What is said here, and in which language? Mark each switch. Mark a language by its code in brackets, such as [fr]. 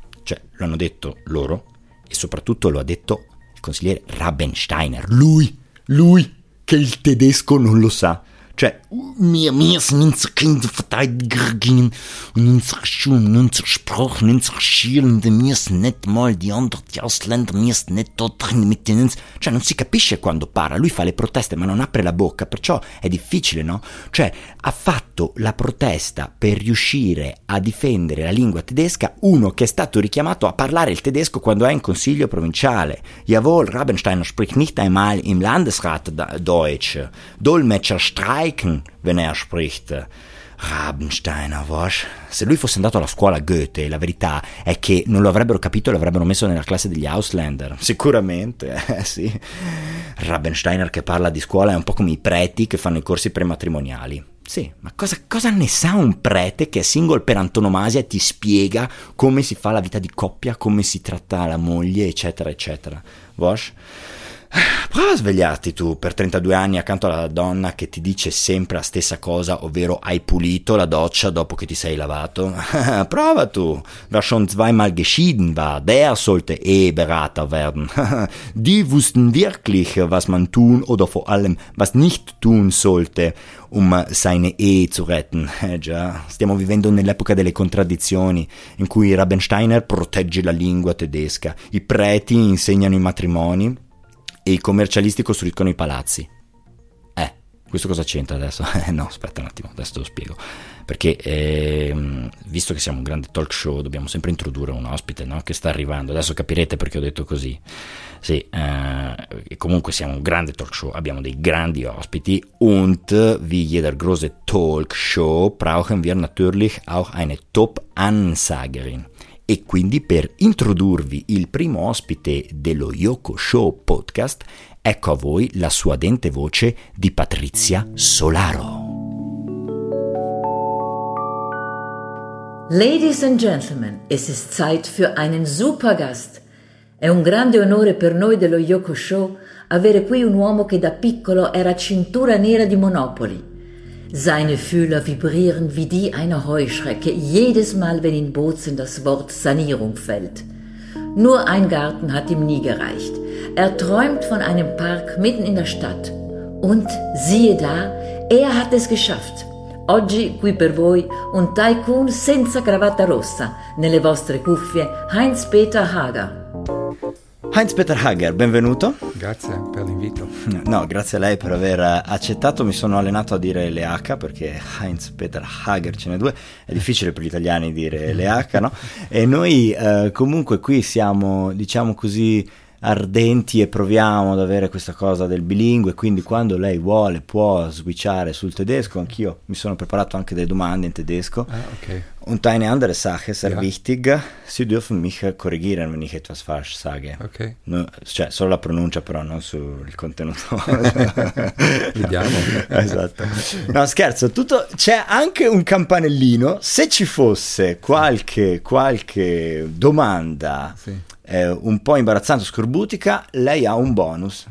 [it] Cioè, lo hanno detto loro e soprattutto lo ha detto consigliere Rabensteiner, lui che il tedesco non lo sa, cioè [de] mir sind unsere Kinder verteidigen und unsere Schulen, unsere Sprachen, unsere Schulen, mir sind nicht mal die anderen, die Ausländer, mir sind nicht dort drin mit denen. [it] Cioè, non si capisce quando parla, lui fa le proteste ma non apre la bocca, perciò è difficile, no? Cioè, ha fatto la protesta per riuscire a difendere la lingua tedesca uno che è stato richiamato a parlare il tedesco quando è in consiglio provinciale. [de] Jawohl, Rabensteiner spricht nicht einmal im Landesrat Deutsch. Dolmetscher streiken wenn er spricht. Rabensteiner, was? [it] Se lui fosse andato alla scuola Goethe, la verità è che non lo avrebbero capito e l'avrebbero messo nella classe degli Ausländer. Sicuramente, sì. Rabensteiner che parla di scuola è un po' come i preti che fanno i corsi prematrimoniali. Sì, ma cosa ne sa un prete che è single per antonomasia e ti spiega come si fa la vita di coppia, come si tratta la moglie, eccetera, eccetera. Vosh? Prova a svegliarti tu per 32 anni accanto alla donna che ti dice sempre la stessa cosa, ovvero hai pulito la doccia dopo che ti sei lavato. Prova tu. [de] Was schon zweimal geschieden war, der sollte eh Berater werden. Die wussten wirklich, was man tun oder vor allem, was nicht tun sollte, um seine Ehe zu retten. [it] Già, stiamo vivendo nell'epoca delle contraddizioni, in cui Rabensteiner protegge la lingua tedesca, i preti insegnano i matrimoni, e i commercialisti costruiscono i palazzi. Questo cosa c'entra adesso? No, aspetta un attimo, adesso te lo spiego. Perché, visto che siamo un grande talk show, dobbiamo sempre introdurre un ospite, no? Che sta arrivando. Adesso capirete perché ho detto così. Sì, comunque siamo un grande talk show, abbiamo dei grandi ospiti. [de] Und wie jeder große talk show brauchen wir natürlich auch eine Top-Ansagerin. [it] E quindi per introdurvi il primo ospite dello Yoko Show Podcast, ecco a voi la suadente voce di Patrizia Solaro. [en] Ladies and gentlemen, [de] es ist Zeit für einen super Gast. [it] È un grande onore per noi dello Yoko Show avere qui un uomo che da piccolo era cintura nera di Monopoly. [de] Seine Fühler vibrieren wie die einer Heuschrecke jedes Mal, wenn in Bozen das Wort Sanierung fällt. Nur ein Garten hat ihm nie gereicht. Er träumt von einem Park mitten in der Stadt. Und siehe da, er hat es geschafft. [it] Oggi qui per voi un Tycoon senza cravatta rossa. Nelle vostre cuffie, Heinz-Peter Hager. Heinz-Peter Hager, benvenuto. Grazie per l'invito. No, grazie a lei per aver accettato. Mi sono allenato a dire le H, perché Heinz-Peter Hager ce n'è due. È difficile per gli italiani dire le H, no? E noi comunque qui siamo, diciamo così, ardenti e proviamo ad avere questa cosa del bilingue. Quindi quando lei vuole può switchare sul tedesco. Anch'io mi sono preparato anche delle domande in tedesco. Ok. [de] Und eine andere Sache, sehr wichtig, Sie dürfen mich korrigieren, wenn ich etwas falsch sage. Okay. [it] No, cioè, solo la pronuncia però, non sul contenuto. Vediamo. Esatto. No, scherzo, tutto, c'è anche un campanellino. Se ci fosse qualche domanda un po' imbarazzante, scorbutica, lei ha un bonus.